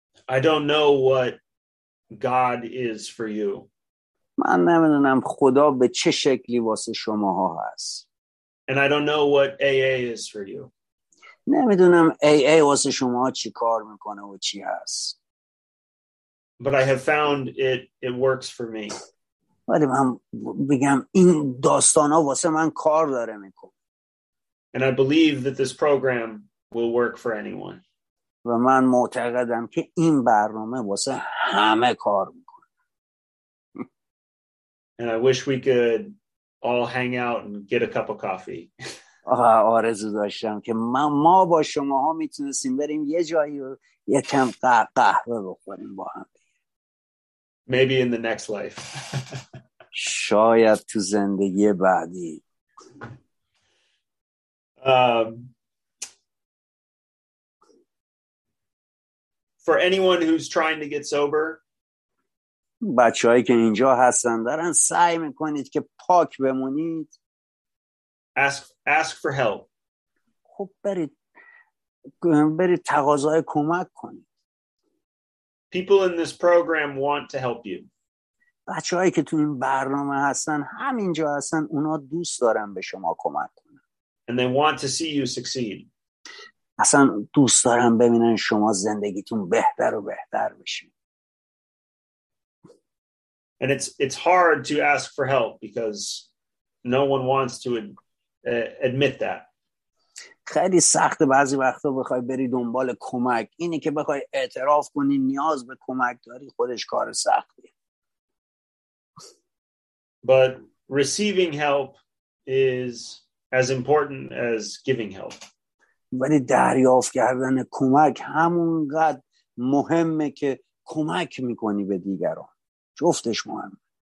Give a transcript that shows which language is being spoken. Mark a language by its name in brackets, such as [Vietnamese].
[English] I don't know what God is for you. [Persian] من نمیدونم خدا به چه شکلی واسه شماها هست. [English] And I don't know what AA is for you. [Persian] نمیدونم AA واسه شما چی کار میکنه و چی هست. [English] But I have found it works for me. [Persian] ولی من بگم این داستانا واسه من کار داره میکنه. [English] And I believe that this program will work for anyone. [Persian] و من معتقدم که این برنامه واسه همه کار میکنه. [English] And I wish we could all hang out and get a cup of coffee. [Persian] آرزو داشتم که ما با شماها میتونستیم بریم یه جایی و یه کم قهوه بخوریم با هم. [English] Maybe in the next life. [Persian] شاید تو زندگی بعدی. [English] For anyone who's trying to get sober, [Persian] بچه‌هایی که اینجا هستن دارن سعی میکنید که پاک بمونید. [English] Ask for help. [Persian] خب برید تقاضای کمک کنید. [English] People in this program want to help you. [Persian] بچه‌هایی که تو این برنامه هستن همینجا هستن اونا دوست دارن به شما کمک کنن. [English] And they want to see you succeed. [Persian] اصلا دوست دارم ببینن شما زندگیتون بهتر و بهتر بشه. [English] And it's hard to ask for help because no one wants to admit that. [Persian] خیلی سخته بعضی وقتا بخوای بری دنبال کمک. اینی که بخوای اعتراف کنی نیاز به کمک داری خودش کار سختیه. [English] But receiving help is as important as giving help. [Persian] ولی دریافت کردن کمک همونقدر مهمه که کمک میکنی به دیگران. جفتش مهم.